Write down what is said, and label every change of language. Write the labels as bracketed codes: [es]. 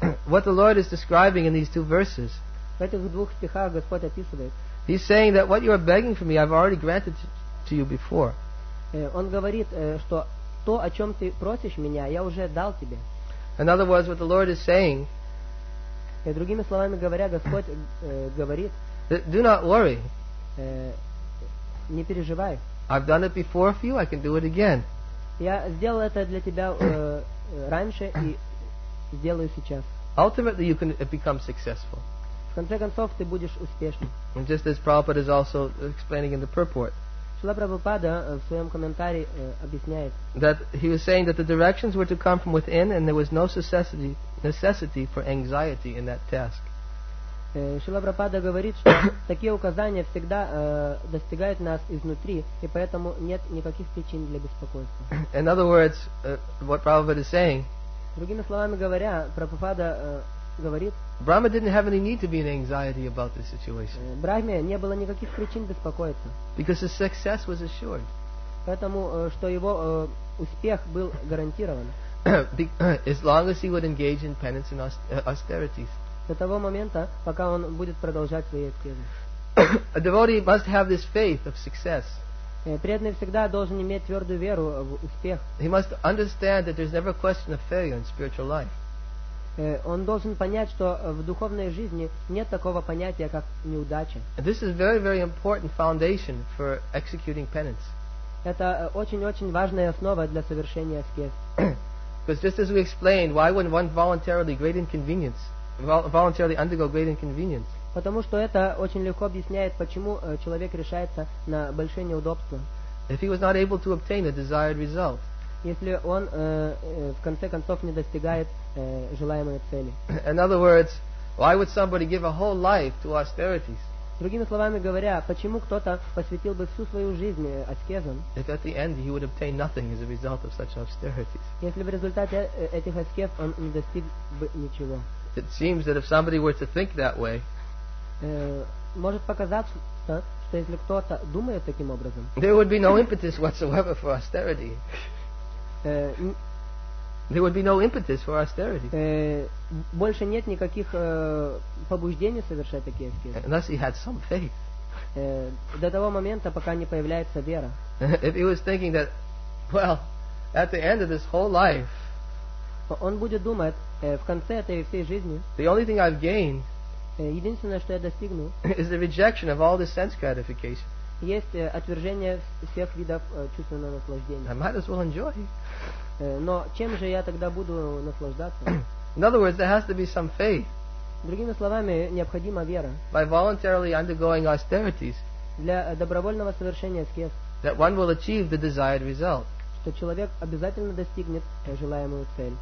[en] What the Lord is describing in these two verses. [ru] В этих двух стихах Господь описывает. [en] He's saying that what you are begging for me, I've already granted to you before. [ru] Он говорит, что то, о чем ты просишь меня, я уже дал тебе. [en] In other words, what the Lord is saying. [ru] Другими словами говоря, Господь говорит. [en] Do not worry. [ru] Не переживай. [en] I've done it before for you. I can do it again. [ru] Я сделал это для тебя раньше и сделаю сейчас. [en] Ultimately, you can become successful. [ru] В конце концов, ты будешь успешным. [en] And just as Prabhupada is also explaining in the purport. [ru] Шрила Прабхупада в своем комментарии объясняет. [en] That he was saying that the directions were to come from within and there was no necessity for anxiety in that task. [ru] Шрила Прабхупада говорит, что такие указания всегда достигают нас изнутри, и поэтому нет никаких причин для беспокойства. [en] In other words, what Prabhupada is saying. [ru] Другими словами говоря, Прабхупада говорит. [en] Brahma didn't have any need to be in anxiety about this situation. [ru] Брахме не было никаких причин беспокоиться. [en] Because his success was assured. [ru] Поэтому что его успех был гарантирован. [en] As long as he would engage in penance and austerities. [ru] До того момента, пока он будет продолжать свои аскезы. [en] A devotee must have this faith of success. [ru] Преданный всегда должен иметь твердую веру в успех. [en] He must understand that there's never a question of failure in spiritual life. [ru] Он должен понять, что в духовной жизни нет такого понятия, как неудача. [en] This is very, very important foundation for executing penance. [ru] Это очень-очень важная основа для совершения аскез. [en] Because just as we explained, why would one voluntarily undergo great inconvenience? [ru] Потому что это очень легко объясняет, почему человек решается на большие неудобства. [en] If he was not able to obtain the desired result. [ru] Если он в конце концов не достигает желаемой цели. [en] In other words, why would somebody give a whole life to austerities? [ru] Другими словами говоря, почему кто-то посвятил бы всю свою жизнь аскезам? [en] If at the end he would obtain nothing as a result of such austerities. [ru] Если в результате этих аскез он не достиг бы ничего. [en] It seems that if somebody were to think that way. [ru] Может показаться, что если кто-то думает таким образом. [en] There would be no impetus whatsoever for austerity. There would be no impetus for austerity. [ru] Больше нет никаких побуждений совершать такие аскезы. [en] Unless he had some faith. [ru] До того момента, пока не появляется вера. [en] If he was thinking that, well, at the end of this whole life. [ru] Он будет думать в конце этой всей жизни. [en] The only thing I've gained. [ru] Единственное, что я достигну. [en] Is the rejection of all the sense gratification. [ru] Есть отвержение всех видов чувственного наслаждения. [en] I might as well enjoy. [ru] Но чем же я тогда буду наслаждаться? [en] In other words, there has to be some faith. [ru] Другими словами, необходима вера. [en] By voluntarily undergoing austerities. [ru] Для добровольного совершения аскез. [en] That one will achieve the desired result. [ru] Что человек обязательно достигнет желаемую цель.